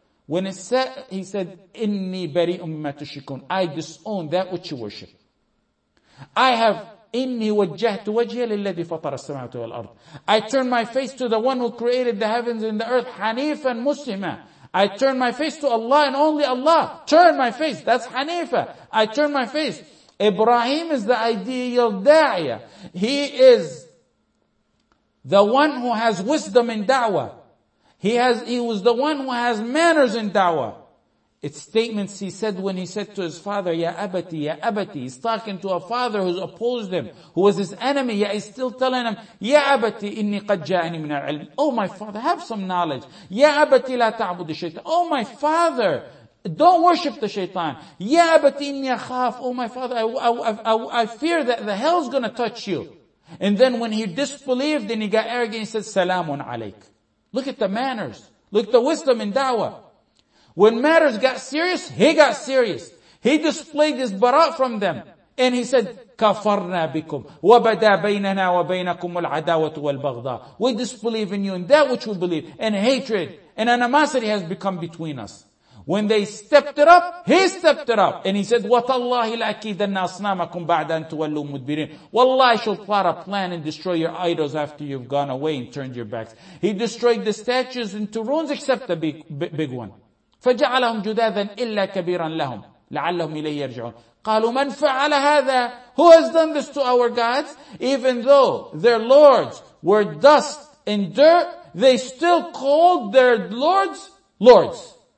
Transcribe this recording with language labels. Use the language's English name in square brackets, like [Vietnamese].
[English] When it set, he said, [Arabic] إِنِّي بَرِئٌ مِمَّا تُشْرِكُونَ. [English] I disown that which you worship. I have [Arabic] إِنِّي وَجَّهْتُ وَجْهِيَ لِلَّذِي فَطَرَ السَّمَاوَاتِ وَالْأَرْضَ. [English] I turn my face to the one who created the heavens and the earth, [Arabic] حَنِيفًا مُسْلِمًا. [English] I turn my face to Allah and only Allah. Turn my face. That's Hanifa. I turn my face. Ibrahim is the ideal da'iya. He is the one who has wisdom in da'wah. He was the one who has manners in da'wah. It's statements he said when he said to his father, Ya Abati, Ya Abati. He's talking to a father who's opposed him, who was his enemy, yet he's still telling him, [Arabic] Ya Abati, inni qad ja'ani min al-ilm. [English] Oh my father, have some knowledge. [Arabic] Ya Abati, la ta'budu shaytan. [English] Oh my father, don't worship the shaytan. [Arabic] Ya Abati, inni akhaf. [English] Oh my father, I fear that the hell's gonna touch you. And then when he disbelieved and he got arrogant, he said, [Arabic] Salamun alayk. [English] Look at the manners. Look at the wisdom in da'wah. When matters got serious, he got serious. He displayed his bara' from them. And he said, [Arabic] كَفَرْنَا بِكُمْ وَبَدَى بَيْنَنَا وَبَيْنَكُمُ الْعَدَاوَةُ وَالْبَغْضَاءُ. [English] We disbelieve in you in that which we believe. And hatred and animosity has become between us. When they stepped it up, he stepped it up. And he said, [Arabic] وَتَاللَّهِ لَأَكِيدَنَّ أَصْنَامَكُمْ بَعْدَ أَن تُوَلُّوا مُدْبِرِينَ. [English] Wallahi, I shall plot a plan and destroy your idols after you've gone away and turned your backs. He destroyed the statues into ruins except the big one. [Arabic] فَجَعَلَهُمْ جُدَاذًا إِلَّا كَبِيرًا لَهُمْ لَعَلَّهُمْ إِلَيْهِ يَرْجِعُونَ. قَالُوا مَنْ فَعَلَ هَذَا. [English] Who has done this to our gods? Even though their lords were dust and dirt, they still called their lords, lords.